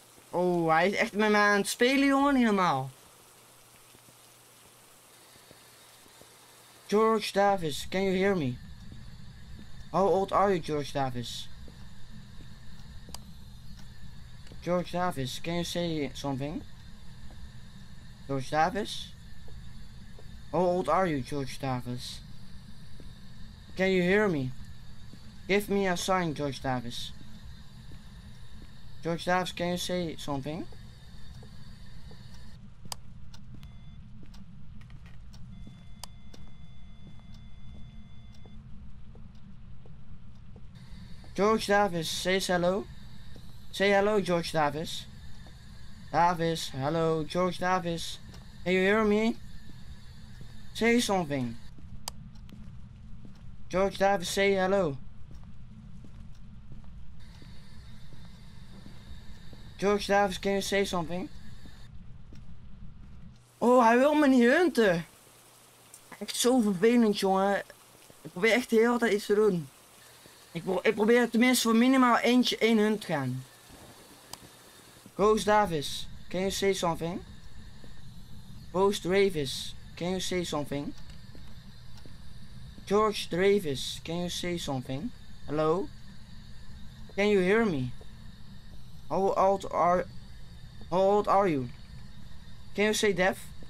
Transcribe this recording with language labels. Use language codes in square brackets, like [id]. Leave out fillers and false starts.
[nl] Oh, hij is echt met mij aan het spelen, jongen, niet normaal. [en] George Davis, can you hear me? How old are you, George Davis? George Davis, can you say something? George Davis? How old are you, George Davis? Can you hear me? Give me a sign, George Davis. George Davis, can you say something? George Davis, say hello. Say hello, George Davis. Davis, hello, George Davis. Can you hear me? Say something. George Davis, say hello. George Davis, can you say something? [nl] Oh, hij wil me niet hunten. Echt zo vervelend, jongen. Ik probeer echt heel wat iets te doen. Ik probeer tenminste voor minimaal eentje één hunt te gaan. [en] Ghost Davis, can you say something? Ghost Davis, can you say something? George Davis, can you say something? Hello? Can you hear me? How old are you? Can you say deaf?